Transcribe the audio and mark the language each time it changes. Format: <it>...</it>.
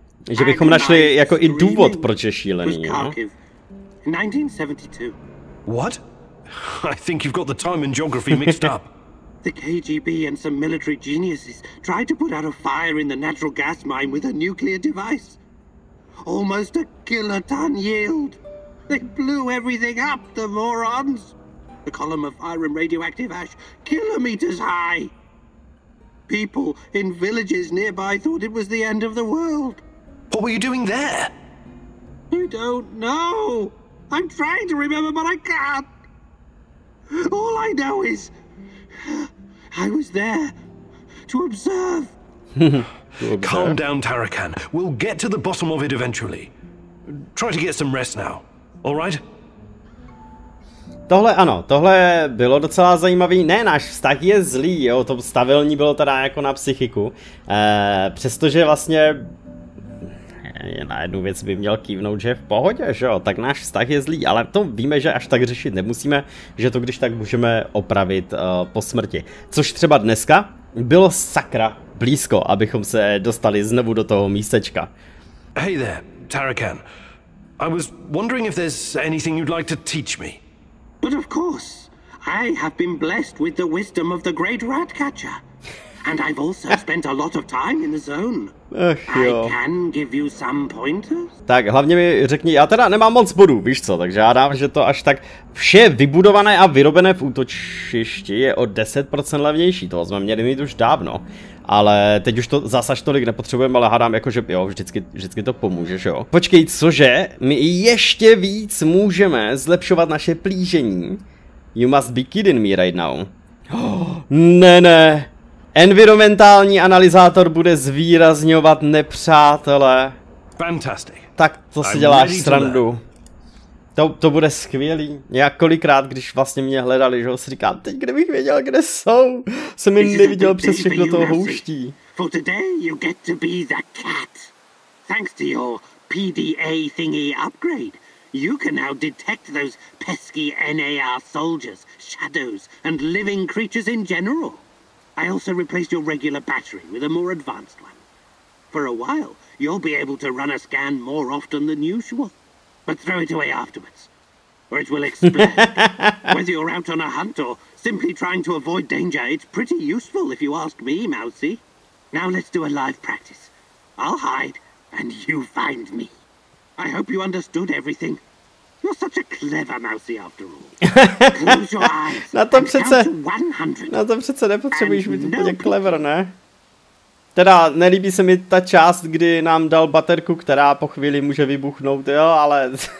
<cs>Že bychom našli jako i důvod, proč je šílený, jo?</cs> <en>1972. What? I think you've got the time and geography mixed up. The KGB and some military geniuses tried to put out a fire in the natural gas mine with a nuclear device. Almost a kiloton yield. They blew everything up, the morons. A column of fire and radioactive ash, kilometers high. People in villages nearby thought it was the end of the world. What were you doing there? I don't know. I'm trying to remember, but I can't. All I know is, I was there to observe. Calm down, Tarakan. We'll get to the bottom of it eventually. Try to get some rest now. All right?</en> <cs>Tohle ano, tohle bylo docela zajímavý. Ne, náš vztah je zlý, jo, to stabilní bylo teda jako na psychiku. Přestože vlastně... Na jednu věc by měl kývnout, že v pohodě, že jo, tak náš vztah je zlý, ale to víme, že až tak řešit nemusíme, že to když tak můžeme opravit po smrti. Což třeba dneska bylo sakra blízko, abychom se dostali znovu do toho místečka.</cs> <en>Hey there, Tarakan. I was wondering if there's anything you'd like to teach me. But of course, I have been blessed with the wisdom of the great rat catcher. And I've also spent a lot of time in the zone.</en> <cs>Ach, jo.</cs> <en>I can give you some pointers?</en> <cs>Tak hlavně mi řekni, já teda nemám moc bodů, víš co, takže já dám, že to až tak vše vybudované a vyrobené v útočišti je o 10% levnější, toho jsme měli mít už dávno. Ale teď už to zasaž tolik nepotřebujeme, ale hádám jako, že jo, vždycky to pomůže, že jo. Počkej, cože, my ještě víc můžeme zlepšovat naše plížení.</cs> <en>You must be kidding me right now.</en> <cs>Ne. Environmentální analyzátor bude zvýrazňovat nepřátele.</cs> <en>Fantastic.</en> <cs>Tak to si děláš srandu. To bude skvělý. Já kolikrát, když vlastně mě hledali, že ho si říkám, teď kdybych věděl, kde jsou, jsem jim neviděl přes všechno toho houští.</cs> <en>For today you get to be the cat. Thanks to your PDA thingy upgrade, you can now detect those pesky NAR soldiers, shadows and living creatures in general. I also replaced your regular battery with a more advanced one. For a while, you'll be able to run a scan more often than usual. But throw it away afterwards, or it will explode. Whether you're out on a hunt or simply trying to avoid danger, it's pretty useful if you ask me, Mousy. Now let's do a live practice. I'll hide, and you find me. I hope you understood everything. You're such a clever mousey after all. Close your eyes.</en> <cs>Na tom přece. Na tom přece nepotřebuješ být úplně clever, ne? Teda, nelíbí se mi ta část, kdy nám dal baterku, která po chvíli může vybuchnout, jo, ale...</cs>